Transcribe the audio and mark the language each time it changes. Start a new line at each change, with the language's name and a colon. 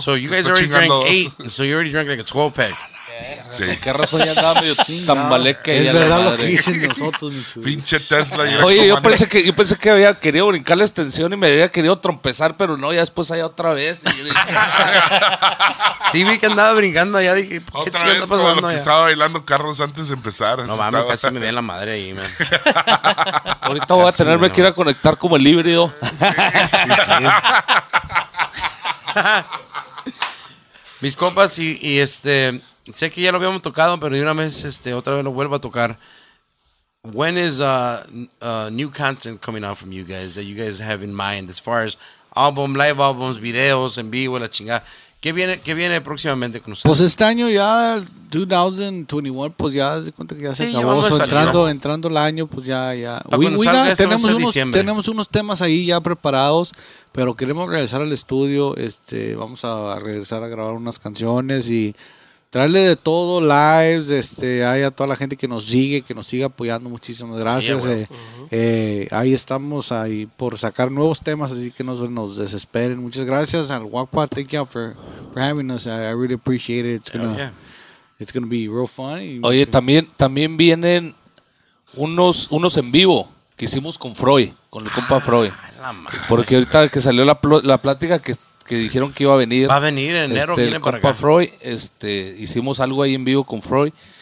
English: So you guys already drank eight, so you already drank like a 12 pack.
Spanish: Sí. ¿Qué razón ya estaba medio tambaleque? Es verdad lo que dicen nosotros, mi chulo. Pinche Tesla. Oye, yo pensé que había querido brincar la extensión y me había querido trompezar, pero no, ya después allá otra vez. Y yo dije, sí, vi que andaba brincando allá. Dije, ¿qué chico está pasando? Lo que estaba bailando Carlos antes de empezar. No mames, casi me di la madre ahí, man. Ahorita voy a tenerme que ir a conectar como el híbrido. Sí. Mis compas y sé que ya lo habíamos tocado, pero de una vez, otra vez lo vuelvo a tocar.
English: When is new content coming out from you guys that you guys have in mind as far as album, live albums, videos,
Spanish: en vivo, la chingada? ¿Qué viene próximamente con ustedes? Pues este año ya, 2021, pues ya se cuenta que ya se acabó. Sí, entrando el año, pues ya. Tenemos unos temas ahí ya preparados, pero queremos regresar al estudio. Vamos a regresar a grabar unas canciones y traerle de todo, lives, hay a toda la gente que nos sigue apoyando, muchísimas gracias. Ahí estamos ahí por sacar nuevos temas, así que no nos desesperen. Muchas gracias al WACPA,
English: thank you for having us. I really appreciate it. It's gonna be real fun.
Spanish: Oye, también vienen unos en vivo que hicimos con Freud, con el compa Freud. Porque ahorita que salió la plática que dijeron que iba a venir. Va a venir en enero, viene con compa Freud. Hicimos algo ahí en vivo con Freud.